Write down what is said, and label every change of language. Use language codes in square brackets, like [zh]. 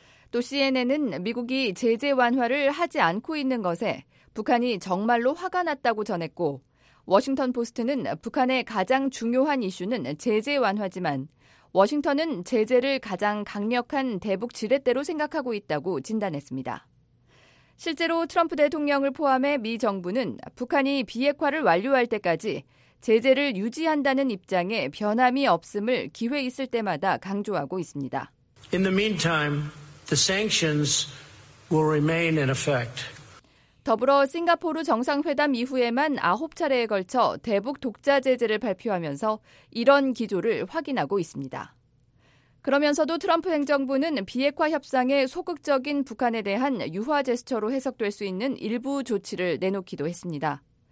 [ko] 또 CNN은 미국이 제재 완화를 하지 않고 있는 것에 북한이 정말로 화가 났다고 전했고 워싱턴포스트는 북한의 가장 중요한 이슈는 제재 완화지만 워싱턴은 제재를 가장 강력한 대북 지렛대로 생각하고 있다고 진단했습니다. 실제로 트럼프 대통령을 포함해 미 정부는 북한이 비핵화를 완료할 때까지 제재를 유지한다는 입장에 변함이 없음을 기회 있을 때마다 강조하고 있습니다. [en] In the meantime, the sanctions will remain in effect. [ko] 더불어 싱가포르 정상회담 이후에만 9차례에 걸쳐 대북 독자 제재를 발표하면서 이런 기조를 확인하고 있습니다. 그러면서도 트럼프 행정부는 비핵화 협상의 소극적인 북한에 대한 유화 제스처로 해석될 수 있는 일부 조치를 내놓기도 했습니다.